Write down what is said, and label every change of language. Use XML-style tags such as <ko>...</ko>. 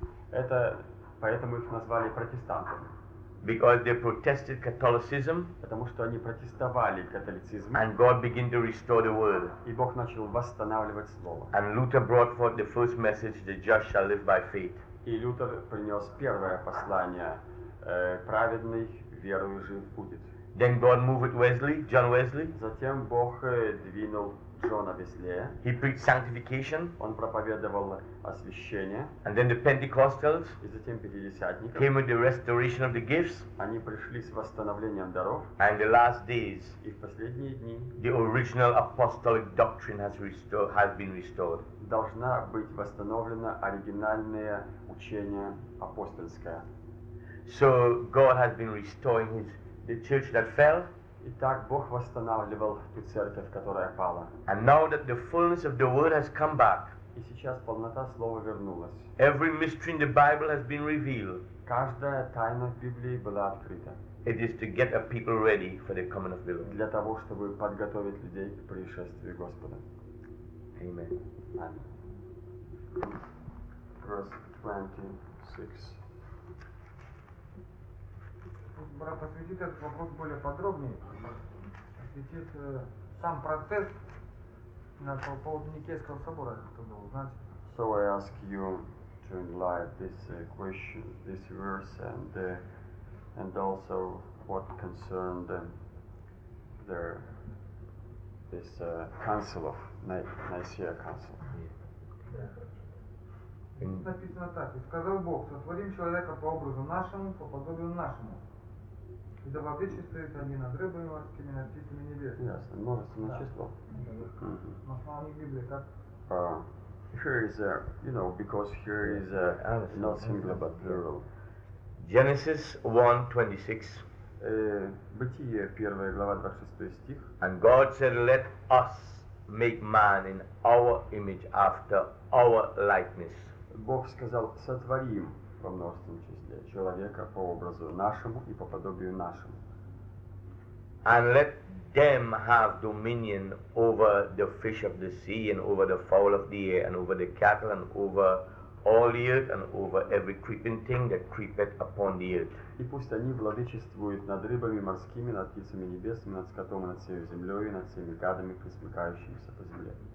<ru>Это поэтому их назвали протестантами.</ru> <en>Because they protested Catholicism,</en> <ru>потому что они протестовали католицизм,</ru> <en>and God began to restore the word,</en> <ru>и Бог начал восстанавливать слово,</ru> <en>and Luther brought forth the first message, the just shall live by faith.</en> <ru>И Лютер принес первое послание, праведный верою жив будет.</ru> <en>Then God moved Wesley, John Wesley.</en> <ru>Затем Бог двинул Джона Веслея.</ru> <en>He preached sanctification.</en> <ru>Он проповедовал освящение.</ru> <en>And then the Pentecostals.</en> <ru>И затем пятидесятники.</ru> <en>Came with the restoration of the gifts.</en> <ru>Они пришли с восстановлением даров.</ru> <en>And the last days.</en> <ru>И в последние дни.</ru> <en>The original apostolic doctrine has been restored.</en> <ru>Должна быть восстановлена оригинальное учение апостольское.</ru> <en>So God has been restoring the church that fell.</en> <ru>Итак, Бог восстанавливал ту церковь, которая пала.</ru> <en>And now that the fullness of the word has come back.</en> <ru>И сейчас полнота слова вернулась.</ru> <en>Every mystery in the Bible has been revealed.</en> <ru>Каждая тайна в Библии была открыта.</ru> <en>It is to get a people ready for the coming of the Lord.</en> <ru>Для того, чтобы подготовить людей к пришествию Господа. Amen. Amen.</ru> <en>Verse 26.</en> <ru>Брат осветит этот вопрос более подробнее, осветит сам процесс по поводу Никейского собора, кто был, знаете.</ru> <en>So I ask you to enlighten this question, this verse, and also what concerned this council of Nicaea council.</en> <ru>Написано так: и сказал Бог, сотворим человека по образу нашему, по подобию нашему. И да воды чистуют они над рыбами морскими, над птицами небесными. Ясно. Множественное число. На основании Библии как?</ru> <en>Here is a, you know, because here is a, not singular but plural. Genesis 1:26.</en> <ru>Бытие 1 глава 26 стих.</ru> <en>And God said, let us make man in our image after our likeness.</en> <ru>Бог сказал, сотворим во множественном числе, человека по образу нашему и по подобию нашему.</ru> <en>And let them have dominion over the fish of the sea and over the fowl of the air and over the cattle and over all the earth and over every creeping thing that creepeth upon the earth.</en> <ru>И пусть они владычествуют над рыбами морскими, над птицами небесными, над скотом, над всей землей, над всеми гадами, присмыкающимися по земле.</ru>